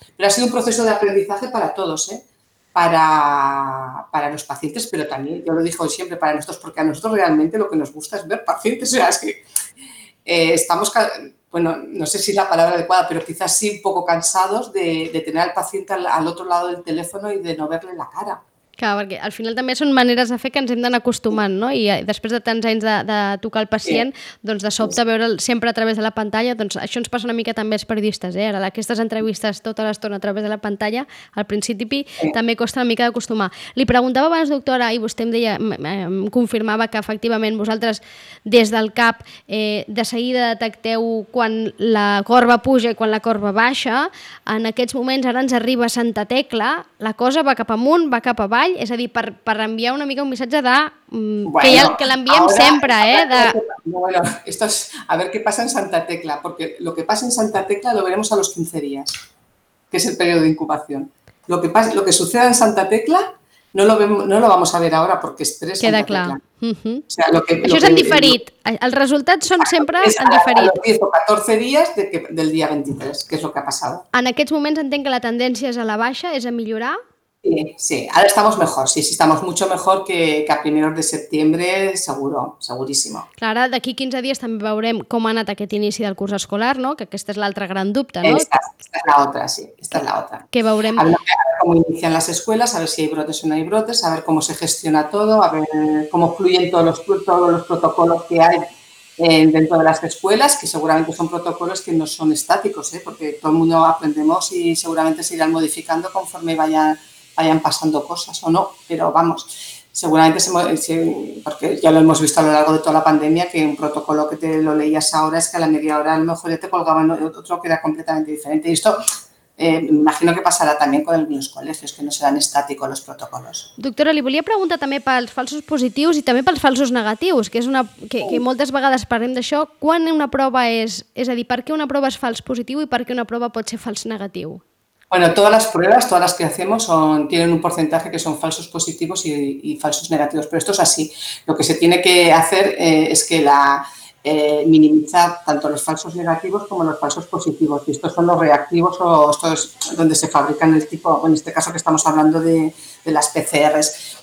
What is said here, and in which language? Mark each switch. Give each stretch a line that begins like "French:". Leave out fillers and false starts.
Spanish: Pero ha sido un proceso de aprendizaje para todos, ¿eh? Para los pacientes, pero también, yo lo digo siempre, para nosotros, porque a nosotros realmente lo que nos gusta es ver pacientes. O sea, es que estamos, bueno, no sé si es la palabra adecuada, pero quizás sí un poco cansados de tener al paciente al otro lado del teléfono y de no verle la cara.
Catalan: Clar, perquè al final també són maneres de fer que ens hem d'anar acostumant, no? I després de tants anys de tocar el pacient, doncs de sobte veure'l sempre a través de la pantalla, doncs això ens passa una mica també als periodistes, eh? Ara, aquestes entrevistes tota l'estona a través de la pantalla, al principi també costa una mica d'acostumar. Li preguntava abans, doctora, i vostè em deia, em confirmava que efectivament vosaltres des del CAP de seguida detecteu quan la corba puja i quan la corba baixa. En aquests moments ara ens arriba Santa Tecla, la cosa va cap amunt, va cap avall, és a dir, per enviar una mica un missatge de que l'enviem sempre,
Spanish: Bueno, esto es, a ver qué pasa en Santa Tecla, porque lo que pasa en Santa Tecla lo veremos a los 15 días, que es el periodo de incubación. Lo que suceda en Santa Tecla no lo vemos, no lo vamos a ver ahora porque es tres.
Catalan: Queda clar. Uh-huh. O sea, això és en diferit. Els resultats són sempre en diferit.
Spanish: A los 10 o 14 días del día 23, que es lo que ha pasado.
Catalan: En aquests moments entenc que la tendència és a la baixa, és a millorar.
Spanish: Sí, ahora estamos mejor, sí, estamos mucho mejor que a primeros de septiembre, seguro, segurísimo.
Catalan: Clara, d'aquí 15 dies també veurem com ha anat aquest inici del curs escolar, no? Que aquesta és l'altra gran dubte, no?
Spanish: Esta es la otra, sí, esta es la otra.
Catalan: Que veurem.
Spanish: A ver cómo inician las escuelas, a ver si hay brotes o no hay brotes, a ver cómo se gestiona todo, a ver cómo fluyen todos los protocolos que hay dentro de las escuelas, que seguramente son protocolos que no son estáticos, ¿eh? Porque todo el mundo aprendemos y seguramente se irán modificando conforme vayan pasando cosas o no, pero vamos, seguramente, porque ya lo hemos visto a lo largo de toda la pandemia, que un protocolo que te lo leías ahora es que a la media hora a lo mejor ya te colgaban otro que era completamente diferente. Y esto imagino que
Catalan: passarà també amb els col·legis, que no seran estàtics els protocols. Doctora, li volia preguntar també pels falsos positius i també pels falsos negatius, que és una que moltes vegades parlem d'això. Quan una prova és a dir, per què una prova és fals positiu i per què una prova pot ser fals negatiu?
Spanish: Bueno, todas las pruebas, todas las que hacemos tienen un porcentaje que son falsos positivos y falsos negativos, pero esto es así. Lo que se tiene que hacer es que minimizar tanto los falsos negativos como los falsos positivos. Y estos son los reactivos o esto es donde se fabrican el tipo, en este caso que estamos hablando de las PCRs.